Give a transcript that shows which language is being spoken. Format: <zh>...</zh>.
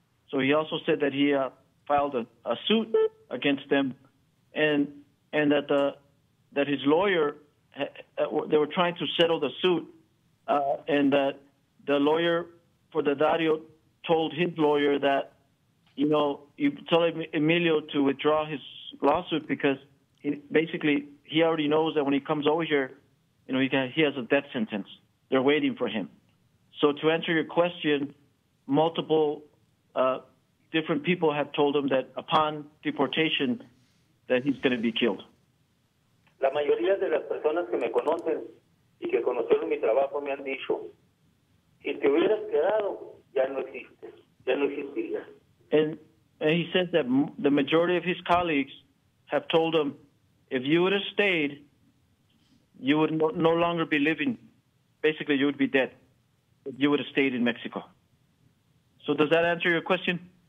<en>So he also said that he filed a suit against them, and that that his lawyer, they were trying to settle the suit, and that the lawyer for the Dario told his lawyer that, you know, you tell Emilio to withdraw his lawsuit because he already knows that when he comes over here, you know, he has a death sentence. They're waiting for him. So to answer your question, multiple different people have told him that upon deportation, that he's going to be killed.</en> <es>La mayoría de las personas que me conocen y que conocieron mi trabajo me han dicho, si te hubieras quedado, ya no existes, ya no existirías.</es> <en>And he says that the majority of his colleagues have told him, if you would have stayed, you would no longer be living. Basically, you would be dead. You would have stayed in Mexico. So does that answer your question?</en>